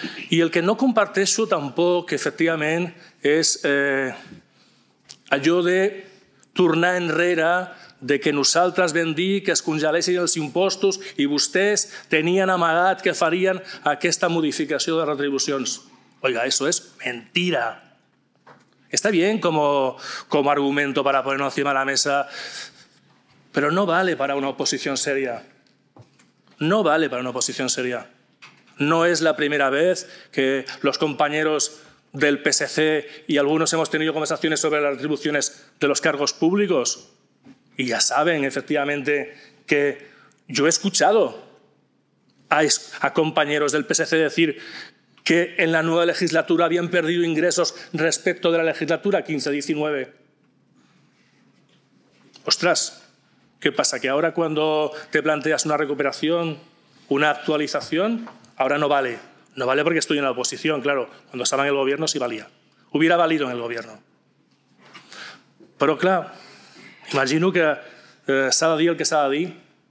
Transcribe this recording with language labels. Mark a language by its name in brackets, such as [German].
[Catalan] I el que no comparteixo tampoc, efectivament, és allò de tornar enrere, de que nosaltres vam dir que es congelessin els impostos i vostès tenien amagat que farien aquesta modificació de retribucions. [Spanish] Oiga, eso es mentira. Está bien como argumento para ponerlo encima de la mesa, pero no vale para una oposición seria. No vale para una oposición seria. No es la primera vez que los compañeros del PSC y algunos hemos tenido conversaciones sobre las retribuciones de los cargos públicos. Y ya saben, efectivamente, que yo he escuchado a compañeros del PSC decir que en la nueva legislatura habían perdido ingresos respecto de la legislatura 15-19. Ostras, ¿qué pasa? ¿Que ahora cuando te planteas una recuperación, una actualización, ahora no vale? No vale porque estoy en la oposición, claro. Cuando estaba en el gobierno sí valía. Hubiera valido en el gobierno. [Catalan] Però, clar, imagino que s'ha de dir el que s'ha de dir.